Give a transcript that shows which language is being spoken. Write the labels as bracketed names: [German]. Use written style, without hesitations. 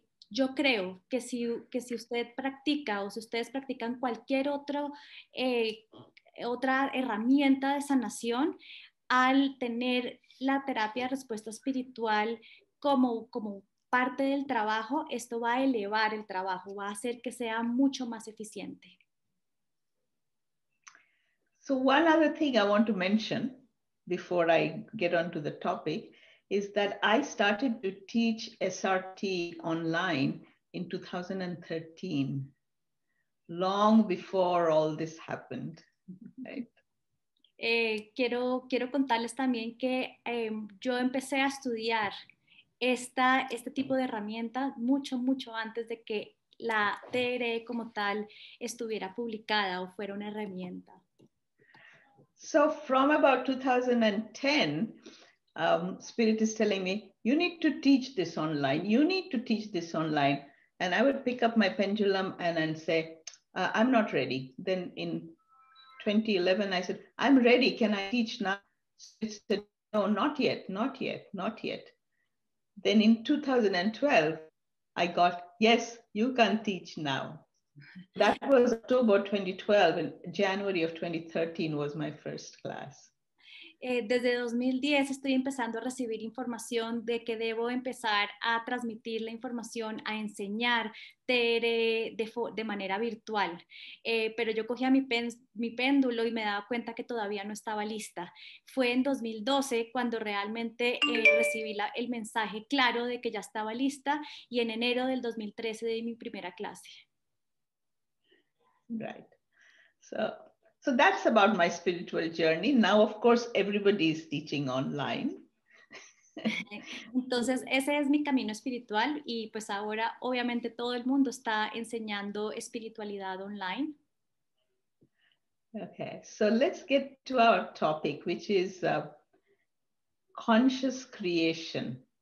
[Spanish] Yo creo que si usted practica o si ustedes practican cualquier otra herramienta de sanación, al tener la terapia de respuesta espiritual como parte del trabajo, esto va a elevar el trabajo, va a hacer que sea mucho más eficiente. [English] So one other thing I want to mention before I get onto the topic is that I started to teach SRT online in 2013, long before all this happened. Right. [Spanish] Quiero contarles también que yo empecé a estudiar este tipo de herramienta mucho, mucho antes de que la TRE como tal estuviera publicada o fuera una herramienta. [English] So from about 2010, Spirit is telling me, you need to teach this online. You need to teach this online. And I would pick up my pendulum and say, I'm not ready. Then in 2011, I said, I'm ready. Can I teach now? Spirit said, no, not yet, not yet, not yet. Then in 2012, I got, yes, you can teach now. That was October 2012, and January of 2013 was my first class. [Spanish] Desde 2010 estoy empezando a recibir información de que debo empezar a transmitir la información, a enseñar TRE de manera virtual. Pero yo cogía mi péndulo y me daba cuenta que todavía no estaba lista. Fue en 2012 cuando realmente recibí el mensaje claro de que ya estaba lista, y en enero del 2013 di mi primera clase. [English] Right. So that's about my spiritual journey. Now, of course, everybody is teaching online. [Spanish] Entonces, ese es mi camino espiritual, y pues ahora obviamente todo el mundo está enseñando espiritualidad online. [English] Okay, so let's get to our topic, which is conscious creation.